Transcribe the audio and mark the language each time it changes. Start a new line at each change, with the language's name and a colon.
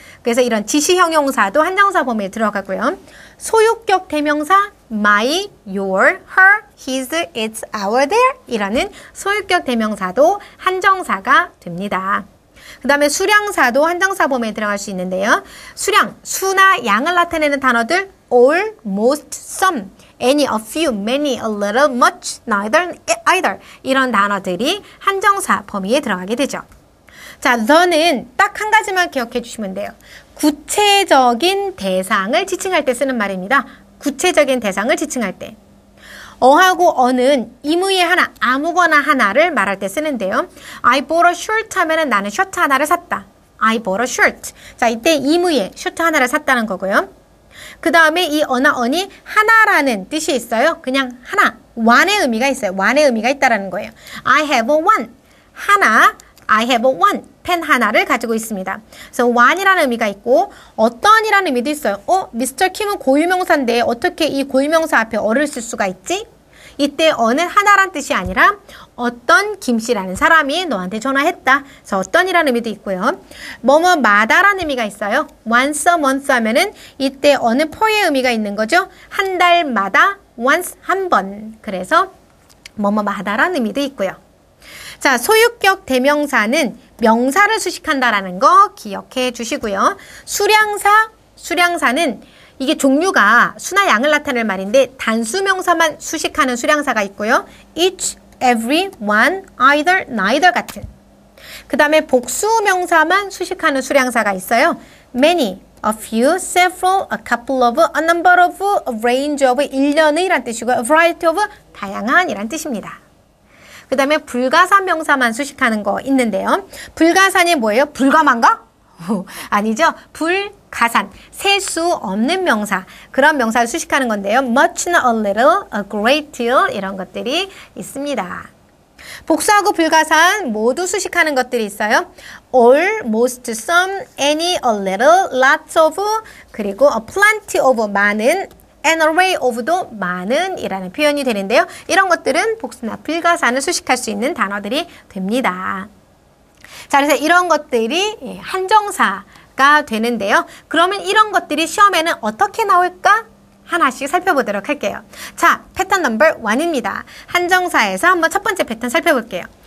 Korean: 그래서 이런 지시형용사도 한정사 범위에 들어가고요. 소유격 대명사 my, your, her, his, its, our, their 이라는 소유격 대명사도 한정사가 됩니다. 그 다음에 수량사도 한정사 범위에 들어갈 수 있는데요.
English: 수량, 수나 양을 나타내는 단어들 all, most, some, any, a few, many, a little, much, neither, either 이런 단어들이 한정사 범위에 들어가게 되죠.
Korean: 자, the는 딱 한 가지만 기억해 주시면 돼요. 구체적인 대상을 지칭할 때 쓰는 말입니다. 구체적인 대상을 지칭할 때. 어하고 어는 임의의 하나, 아무거나 하나를 말할 때 쓰는데요.
English: I bought a shirt
Korean: 하면 나는 셔츠 하나를 샀다.
English: I bought a shirt.
Korean: 자, 이때 임의의 셔츠 하나를 샀다는 거고요. 그 다음에 이 어나 언이 하나라는 뜻이 있어요. 그냥 하나, one의 의미가 있어요. one의 의미가 있다는 거예요.
English: I have a one. 하나, I have a one.
Korean: 펜 하나를 가지고 있습니다. 그래서 one이라는 의미가 있고 어떤이라는 의미도 있어요. 어? Mr. Kim은 고유명사인데 어떻게 이 고유명사 앞에 어를 쓸 수가 있지? 이때 어는 하나란 뜻이 아니라 어떤 김씨라는 사람이 너한테 전화했다. 그래서 어떤이라는 의미도 있고요. 뭐뭐 마다라는 의미가 있어요.
English: Once a month
Korean: 하면은 이때 어는 for의 의미가 있는 거죠. 한 달마다 once 한 번. 그래서 뭐뭐 마다라는 의미도 있고요. 자, 소유격 대명사는 명사를 수식한다라는 거 기억해 주시고요. 수량사, 수량사는 이게 종류가 수나 양을 나타낼 말인데 단수 명사만 수식하는 수량사가 있고요.
English: each, every, one, either, neither 같은.
Korean: 그 다음에 복수 명사만 수식하는 수량사가 있어요.
English: many, a few, several, a couple of, a number of, a range of, 일련의 이란 뜻이고요. a variety of, 다양한 이란 뜻입니다.
Korean: 그 다음에 불가사 명사만 수식하는 거 있는데요. 불가산이 뭐예요? 불가만가? 아니죠. 불가산, 셀 수 없는 명사, 그런 명사를 수식하는 건데요.
English: Much, a little, a great deal 이런 것들이 있습니다.
Korean: 복수하고 불가산 모두 수식하는 것들이 있어요.
English: All, most, some, any, a little, lots of, 그리고 a plenty of, 많은, an array of도 많은 이라는 표현이 되는데요.
Korean: 이런 것들은 복수나 불가사를 수식할 수 있는 단어들이 됩니다. 자, 그래서 이런 것들이 한정사가 되는데요. 그러면 이런 것들이 시험에는 어떻게 나올까? 하나씩 살펴보도록 할게요. 자, 패턴 넘버 1입니다. 한정사에서 한번 첫 번째 패턴 살펴볼게요.